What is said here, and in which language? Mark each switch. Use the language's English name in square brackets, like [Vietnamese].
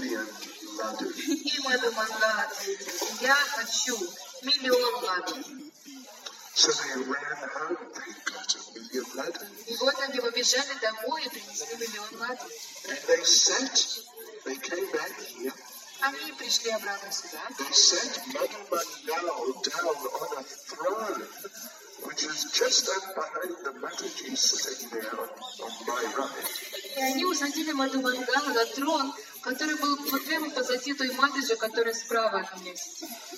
[Russian] И Мадху Мангал ответил, я хочу миллион ладу. [English] So they ran home, they got a million ladders. [Russian] И вот они побежали домой и принесли миллион ладу. [English] And they sat, they came back here. [Russian] Они пришли обратно сюда. [English] They sat Madhu Mangal down on a throne, which is just up behind the Mataji sitting there on my right. [Russian] И они усадили Мадху Мангала на трон, который был вот прямо позади той Матаджи, которая справа от меня сидит.